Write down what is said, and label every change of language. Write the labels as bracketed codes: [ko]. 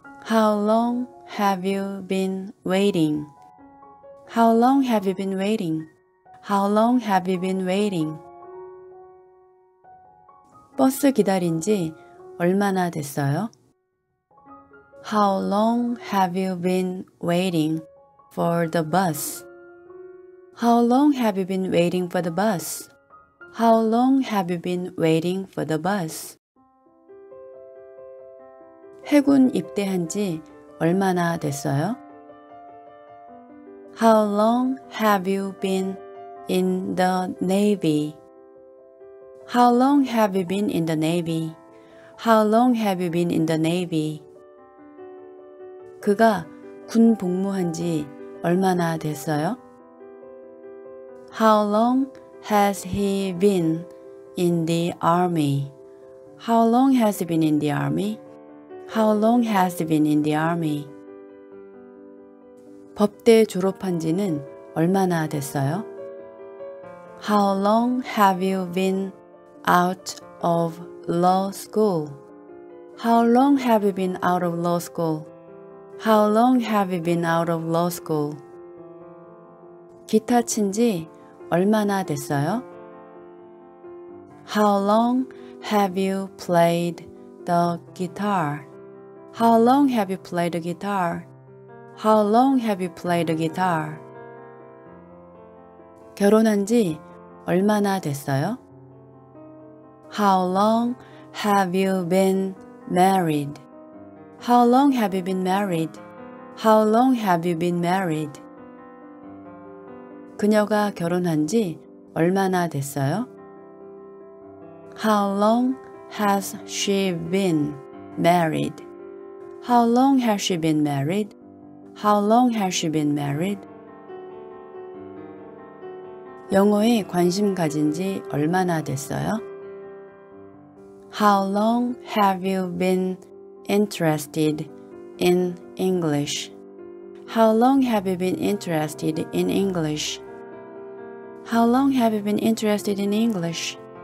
[en] How long have you been waiting? How long have you been waiting? How long have you been waiting? [ko] 버스 기다린 지 얼마나 됐어요? [en] How long have you been waiting for the bus? How long have you been waiting for the bus? How long have you been waiting for the bus? [ko] 해군 입대한 지 얼마나 됐어요? [en] How long have you been in the Navy? How long have you been in the Navy? How long have you been in the Navy? [ko] 그가 군 복무한 지 얼마나 됐어요? [en] How long has he been in the Army? How long has he been in the Army? How long has he been in the Army? [ko] 법대 졸업한 지는 얼마나 됐어요? [en] How long have you been out of law school? How long have you been out of law school? How long have you been out of law school? [ko] 기타 친 지 얼마나 됐어요? [en] How long have you played the guitar? How long have you played the guitar? How long have you played the guitar? [ko] 결혼한 지 얼마나 됐어요? [en] How long have you been married? How long have you been married? How long have you been married? [ko] 그녀가 결혼한 지 얼마나 됐어요? [en] How long has she been married? How long has she been married? How long has she been married? [ko] 영어에 관심 가진 지 얼마나 됐어요? [en] How long have you been interested in English? How long have you been interested in English? How long have you been interested in English?